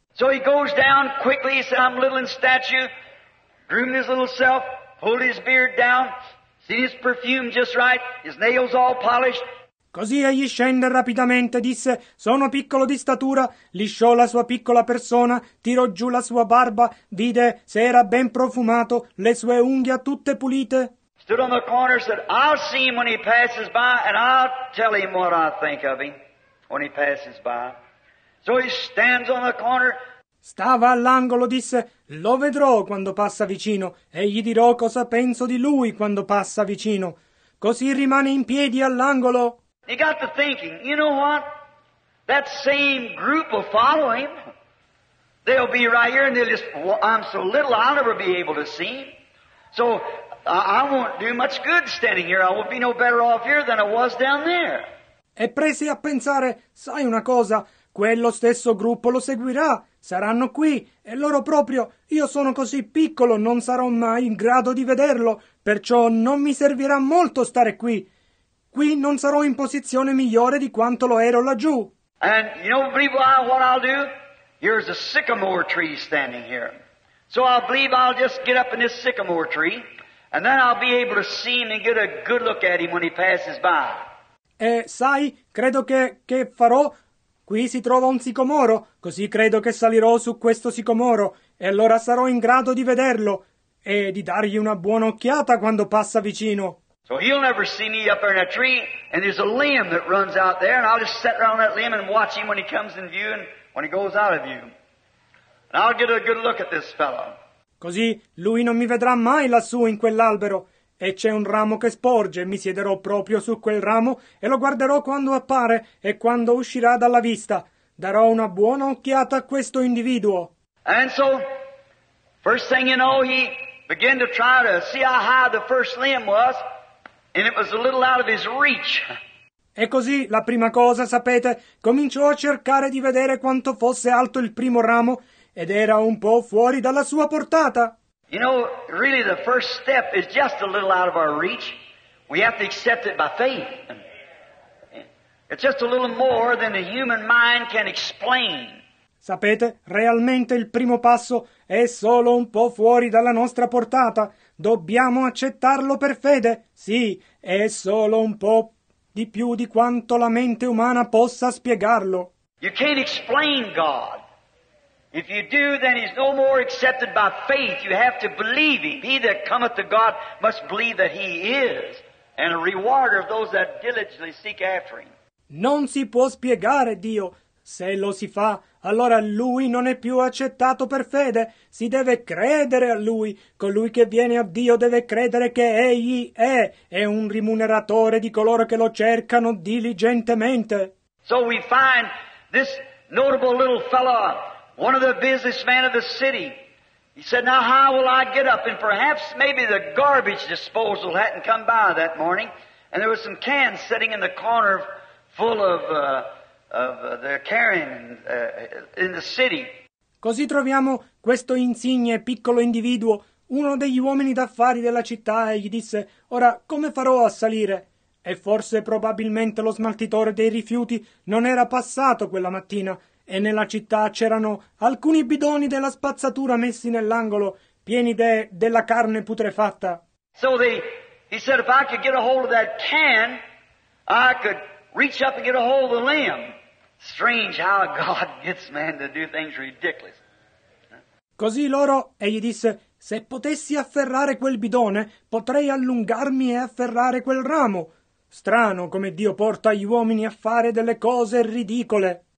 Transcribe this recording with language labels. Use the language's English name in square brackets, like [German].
[English] So he goes down quickly, he said, I'm little in stature, groomed his little self, pulled his beard down, seen his perfume just right, his nails all polished. [Italian] Così egli scende rapidamente, disse, sono piccolo di statura, lisciò la sua piccola persona, tirò giù la sua barba, vide se era ben profumato, le sue unghie tutte pulite. [English] Stood on the corner and said, I'll see him when he passes by and I'll tell him what I think of him when he passes by. So he stands on the corner. [Italian] Stava all'angolo, disse, lo vedrò quando passa vicino e gli dirò cosa penso di lui quando passa vicino. Così rimane in piedi all'angolo. [English] He got to thinking, you know what? That same group will follow him. They'll be right here and they'll just, well, I'm so little I'll never be able to see him. So I won't do much good standing here. I will be no better off here than I was down there. [Italian] E prese a pensare, sai una cosa? Quello stesso gruppo lo seguirà. Saranno qui. E loro proprio, io sono così piccolo, non sarò mai in grado di vederlo. Perciò non mi servirà molto stare qui. Qui non sarò in posizione migliore di quanto lo ero laggiù. [English] And you know, believe what I'll do? Here's a sycamore tree standing here. So I believe I'll just get up in this sycamore tree. And then I'll be able to see him and get a good look at him when he passes by. [Italian] E sai, credo che farò. Qui si trova un sicomoro, così credo che salirò su questo sicomoro e allora sarò in grado di vederlo e di dargli una buona occhiata quando passa vicino. [English] So he'll never see me up there in a tree, and there's a limb that runs out there, and I'll just sit around that limb and watch him when he comes in view and when he goes out of view. And I'll get a good look at this fellow. [Italian] Così lui non mi vedrà mai lassù in quell'albero. E c'è un ramo che sporge, mi siederò proprio su quel ramo e lo guarderò quando appare e quando uscirà dalla vista. Darò una buona occhiata a questo individuo. [English] And so, first thing you know, he began to try to see how high the first limb was, and it was a little out of his reach. [Italian] E così, la prima cosa, sapete, cominciò a cercare di vedere quanto fosse alto il primo ramo, ed era un po' fuori dalla sua portata. [English] You know, really the first step is just a little out of our reach. We have to accept it by faith. It's just a little more than the human mind can explain. [Italian] Sapete, realmente il primo passo è solo un po' fuori dalla nostra portata. Dobbiamo accettarlo per fede. Sì, è solo un po' di più di quanto la mente umana possa spiegarlo. [English] You can't explain God. If you do, then he's no more accepted by faith. You have to believe him. He that cometh to God must believe that he is, and a rewarder of those that diligently seek after him. [Italian] Non si può spiegare Dio. Se lo si fa, allora lui non è più accettato per fede. Si deve credere a lui. Colui che viene a Dio deve credere che egli è un rimuneratore di coloro che lo cercano diligentemente. [English] So we find this notable little fellow, one of the businessmen of the city, he said, now how will I get up? And perhaps maybe the garbage disposal hadn't come by that morning, and there was some cans sitting in the corner full of their carrying in the city. [Italian] Così troviamo questo insigne piccolo individuo, uno degli uomini d'affari della città, e gli disse, ora come farò a salire? E forse probabilmente lo smaltitore dei rifiuti non era passato quella mattina, e nella città c'erano alcuni bidoni della spazzatura messi nell'angolo, pieni della carne putrefatta. [English] So he said, if I could get a hold of that can, I could reach up and get a hold of the limb. Strange how God gets man to do things ridiculous. [Italian] Così loro, egli disse, se potessi afferrare quel bidone, potrei allungarmi e afferrare quel ramo. Strano come Dio porta gli uomini a fare delle cose ridicole.